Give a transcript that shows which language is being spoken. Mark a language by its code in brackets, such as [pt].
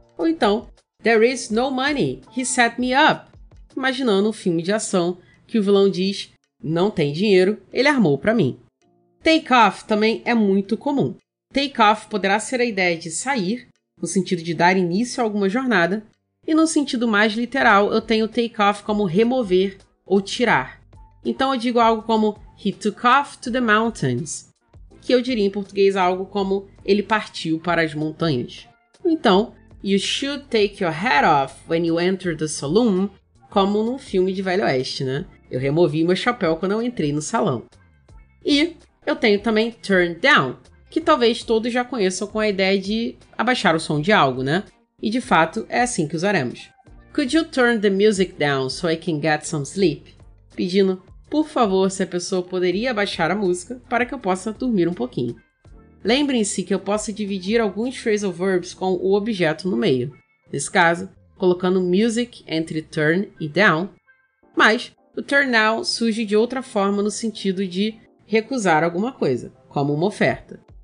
[pt] Ou então, [en] There is no money, he set me up. [pt] Imaginando um filme de ação que o vilão diz Não tem dinheiro, ele armou para mim. Take off também é muito comum. Take off poderá ser a ideia de sair, no sentido de dar início a alguma jornada. E no sentido mais literal, eu tenho take off como remover ou tirar. Então eu digo algo como [en] He took off to the mountains. [pt] Que eu diria em português algo como Ele partiu para as montanhas. [en] Então, you should take your hat off when you enter the saloon, [pt] como num filme de Velho Oeste, né? Eu removi meu chapéu quando eu entrei no salão. E eu tenho também turn down, que talvez todos já conheçam com a ideia de abaixar o som de algo, né? E de fato, é assim que usaremos. [en] Could you turn the music down so I can get some sleep? [pt] Pedindo, por favor, se a pessoa poderia abaixar a música para que eu possa dormir um pouquinho. Lembrem-se que eu posso dividir alguns phrasal verbs com o objeto no meio. Nesse caso, colocando music entre turn e down. Mas o turn down surge de outra forma no sentido de recusar alguma coisa, como uma oferta.